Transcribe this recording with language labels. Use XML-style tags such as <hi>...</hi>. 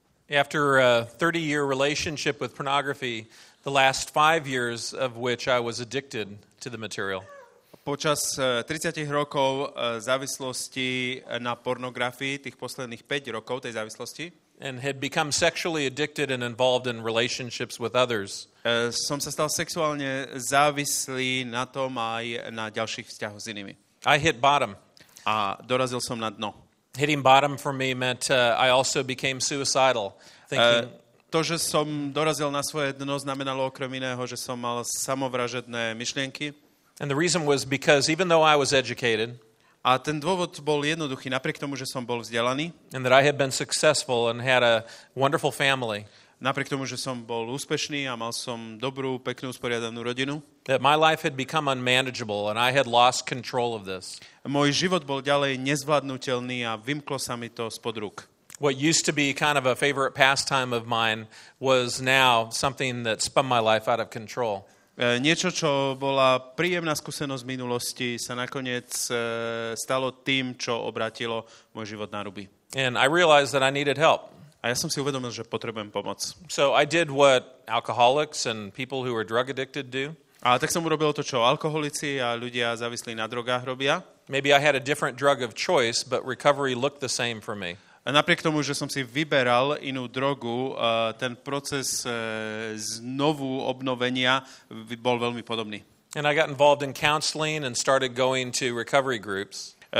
<en>After a 30-year relationship with pornography, the last 5 years of which I was addicted to the material.</en> <sk>počas 30 rokov závislosti na pornografii, tých posledných 5 rokov tej závislosti.</sk> <en>And had become sexually addicted and involved in relationships with others.</en> <sk>Som sa stal sexuálne závislý na tom aj na ďalších vzťahoch s inými.</sk> <en>I hit bottom.</en> <sk>A dorazil som na dno.</sk> <en>Hitting bottom for me meant I also became suicidal.</en> <sk>To, že som dorazil na svoje dno, znamenalo okrem iného, že som mal samovražedné myšlienky.</sk> <en>And the reason was because even though I was educated,</en> <sk>a ten dôvod bol jednoduchý, napriek tomu, že som bol vzdelaný.</sk> <en>And that I had been successful and had a wonderful family.</en> <sk>Napriek tomu, že som bol úspešný a mal som dobrú, peknú, usporiadanú rodinu.</sk> <en>That my life had become unmanageable and I had lost control of this.</en> <sk>Môj život bol ďalej nezvládnutelný a vymklo sa mi to spod rúk.</sk> <en>What used to be kind of a favorite pastime of mine was now something that spun my life out of control.</en> <sk>Niečo, čo bola príjemná skúsenosť minulosti, sa nakoniec stalo tým, čo obrátilo môj život na ruby.</sk> <en>And I realized that I needed help.</en> <sk>A ja som si uvedomil, že potrebujem pomoc.</sk> <en>So I did what alcoholics and people who are drug addicted do.</en> <sk>A tak som urobil to, čo alkoholici a ľudia závislí na drogách robia.</sk> <en>Maybe I had a different drug of choice, but recovery looked the same for me.</en> <sk>A napriek tomu, že som si vyberal inú drogu, ten proces znovu obnovenia bol veľmi podobný.</sk> <en>And I got involved in counseling and started going to recovery groups.</en>